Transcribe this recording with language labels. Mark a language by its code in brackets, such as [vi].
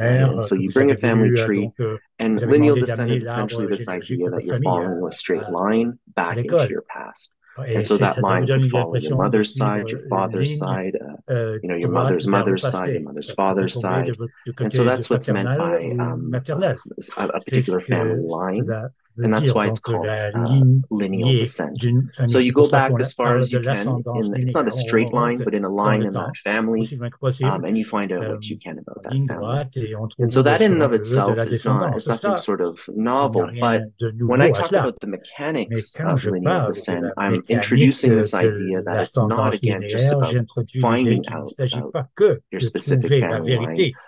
[en] And so you bring a family tree, and lineal descent is essentially this idea that you're following a straight line back into your past. And so that line can follow your mother's side, your father's side, you know, your mother's mother's side, your mother's father's side. And so that's what's meant by a particular family line. [fr] veut dire donc la ligne lignée d'une famille. [en] So you go back as far as you can. It's not a straight line, but in a line in that family, and you find out what you can about that family. And so that in and of itself is nothing sort of novel. But when I talk about the mechanics of lineal descent, I'm introducing this idea that it's not again just about finding out your specific family line.